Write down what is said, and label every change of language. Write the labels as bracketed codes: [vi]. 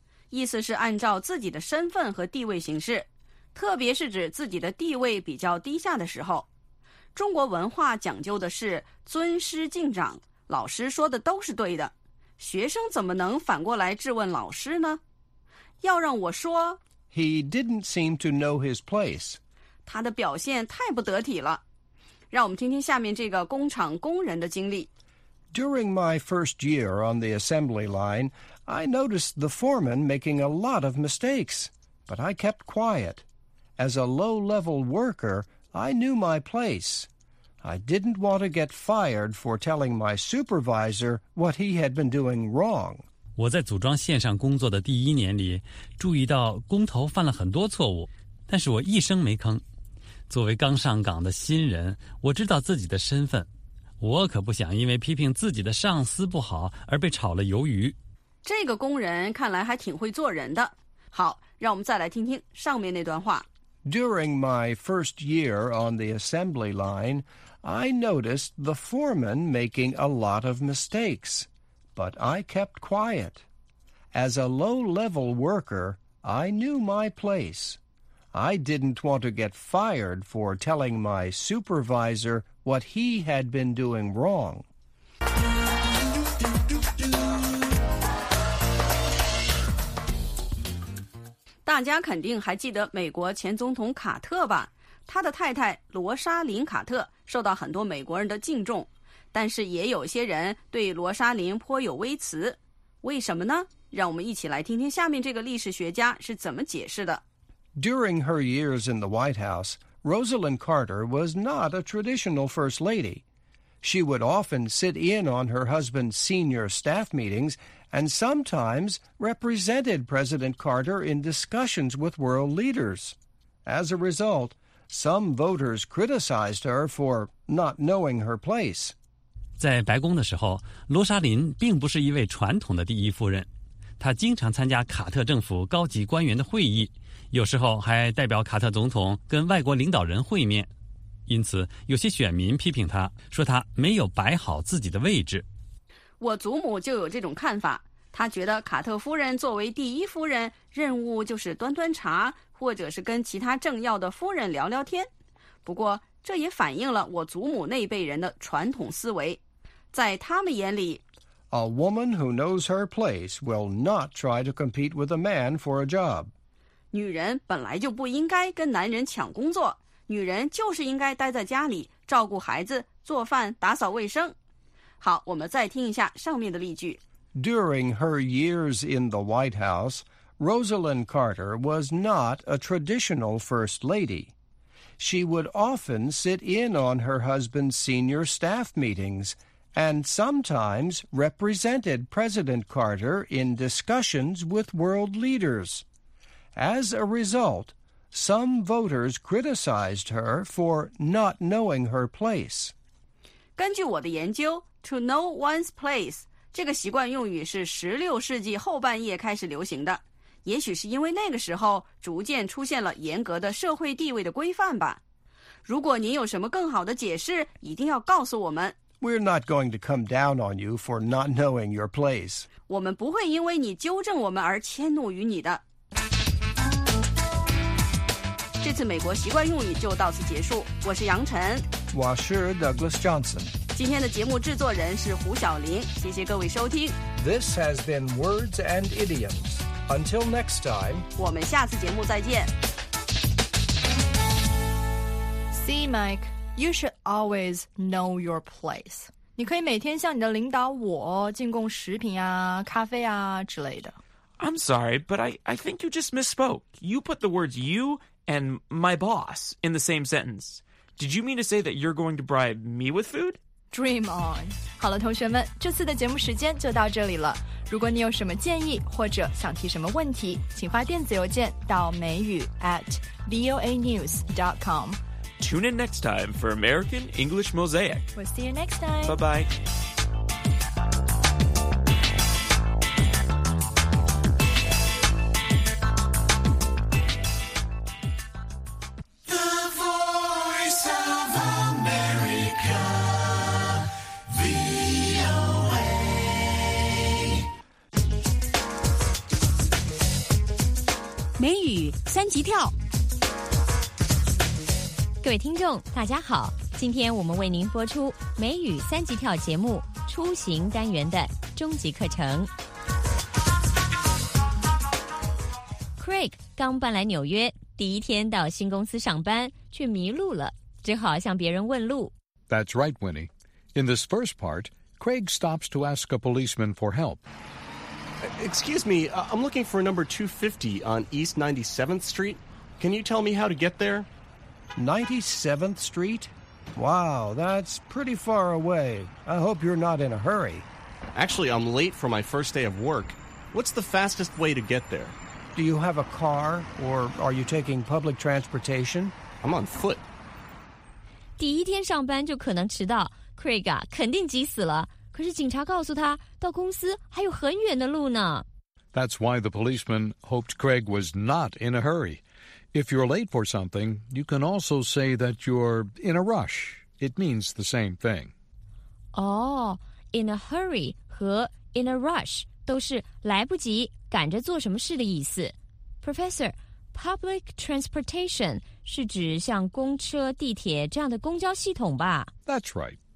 [zh] 意思是按照自己的身份和地位行事，特别是指自己的地位比较低下的时候。中国文化讲究的是尊师敬长，老师说的都是对的，学生怎么能反过来质问老师呢？要让我说， [en] He didn't seem to know his place. [zh] 他的表现太不得体了。让我们听听下面这个工厂工人的经历。 [en] During my first year on the assembly line, I noticed the foreman making a lot of mistakes, but I kept quiet. As a low-level worker, I knew my place. I didn't want to get fired for telling my supervisor what he had been doing wrong. [zh] 我在组装线上工作的第一年里，注意到工头犯了很多错误，但是我一声没吭。作为刚上岗的新人，我知道自己的身份，我可不想因为批评自己的上司不好而被炒了鱿鱼。这个工人看来还挺会做人的。好，让我们再来听听上面那段话。 [en] During my first year on the assembly line, I noticed the foreman making a lot of mistakes, but I kept quiet. As a low-level worker, I knew my place. I didn't want to get fired for telling my supervisor what he had been doing wrong. [zh] 大家肯定还记得美国前总统卡特吧？他的太太罗莎琳·卡特受到很多美国人的敬重，但是也有些人对罗莎琳颇有微词。为什么呢？让我们一起来听听下面这个历史学家是怎么解释的。 [en] During her years in the White House, Rosalynn Carter was not a traditional first lady. She would often sit in on her husband's senior staff meetings and sometimes represented President Carter in discussions with world leaders. As a result, some voters criticized her for not knowing her place. [zh] 在白宫的时候，罗莎琳并不是一位传统的第一夫人，她经常参加卡特政府高级官员的会议，有时候还代表卡特总统跟外国领导人会面，因此有些选民批评他，说他没有摆好自己的位置。我祖母就有这种看法，她觉得卡特夫人作为第一夫人，任务就是端端茶，或者是跟其他政要的夫人聊聊天。不过这也反映了我祖母那辈人的传统思维，在他们眼里， [en] A woman who knows her place will not try to compete with a man for a job. [zh] 女人本来就不应该跟男人抢工作，女人就是应该待在家里照顾孩子、做饭、打扫卫生。好，我们再听一下上面的例句。 [en] During her years in the White House, Rosalynn Carter was not a traditional first lady. She would often sit in on her husband's senior staff meetings and sometimes represented President Carter in discussions with world leaders. As a result, some voters criticized her for not knowing her place. [zh] 根据我的研究 , [en] to know one's place, [zh] 这个习惯用语是16世纪后半叶开始流行的。也许是因为那个时候逐渐出现了严格的社会地位的规范吧。如果您有什么更好的解释，一定要告诉我们。 [en] We're not going to come down on you for not knowing your place. [zh] 我们不会因为你纠正我们而迁怒于你的。这次美国习惯用语就到此结束，我是杨晨，我是 Douglas Johnson，今天的节目制作人是胡晓玲，谢谢各位收听。 [en] This has been Words and Idioms. Until next time， [zh] 我们下次节目再见。 [en] See Mike, you should always know your place. [zh] 你可以每天向你的领导我进贡食品啊、咖啡啊之类的。 [en] I'm sorry, but I think you just misspoke. You put the words youand my boss in the same sentence. Did you mean to say that you're going to bribe me with food? Dream on. [zh] 好了，同学们，这次的节目时间就到这里了。如果你有什么建议或者想提什么问题，请发电子邮件到美语 @voanews.com. [en] Tune in next time for American English Mosaic. We'll see you next time. Bye-bye. [zh] 三级跳。各位听众大家好，今天我们为您播出美语三级跳节目出行单元的终极课程。 Craig 刚搬来纽约，第一天到新公司上班却迷路了，只好向别人问路。 [en] That's right, Winnie. In this first part, Craig stops to ask a policeman for help. Excuse me, I'm looking for number 250 on East 97th Street. Can you tell me how to get there? 97th Street? Wow, that's pretty far away. I hope you're not in a hurry. Actually, I'm late for my first day of work. What's the fastest way to get there? Do you have a car, or are you taking public transportation? I'm on foot. [zh] 第一天上班就可能迟到， Craig 啊，肯定急死了。可是警察告诉他，到公司还有很远的路呢。 [en] That's why the policeman hoped Craig was not in a hurry. If you're late for something, you can also say that you're in a rush. It means the same thing. Oh, in a hurry [zh] 和 [en] in a rush [zh] 都是来不及、赶着做什么事的意思。 Professor, [en] public transportation [zh] 是指像公车、地铁这样的公交系统吧 [en] ？That's right.